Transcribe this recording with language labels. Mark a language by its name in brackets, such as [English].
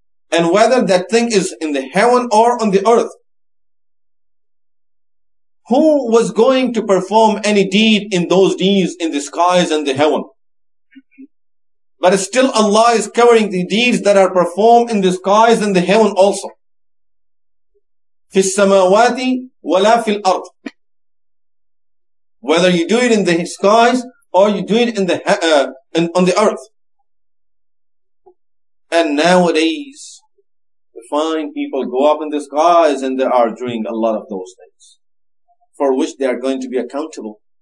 [English] And whether that thing is in the heaven or on the earth, who was going to perform any deed in those deeds in the skies and the heaven? But still Allah is covering the deeds that are performed in the skies and the heaven also. [Arabic] في السماوات ولا في الأرض. [English] Whether you do it in the skies or you do it in the on the earth. And nowadays, we find people go up in the skies and they are doing a lot of those things for which they are going to be accountable.